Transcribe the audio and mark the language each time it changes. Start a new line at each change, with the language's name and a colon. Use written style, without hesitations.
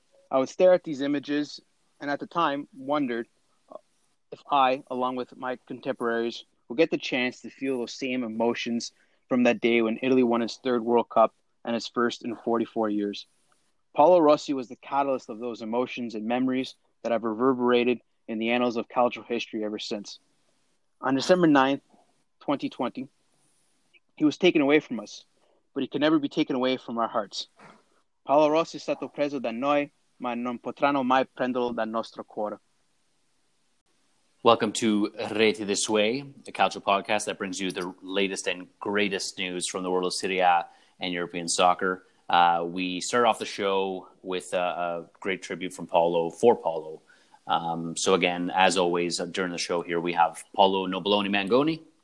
English: I would stare at these images and at the time wondered if I, along with my contemporaries, would get the chance to feel those same emotions from that day when Italy won its third World Cup and its first in 44 years. Paolo Rossi was the catalyst of those emotions and memories that have reverberated in the annals of cultural history ever since. On December 9th, 2020, he was taken away from us, but he can never be taken away from our hearts.
Italian: Paolo Rossi è stato preso da noi, ma non potranno mai prenderlo dal nostro cuore.
English: Welcome to Rete This Way, the cultural podcast that brings you the latest and greatest news from the world of Serie A and European soccer. We start off the show with a great tribute from Paolo for Paolo. So again, as always, during the show here, we have Paolo Nobiloni Mangoni.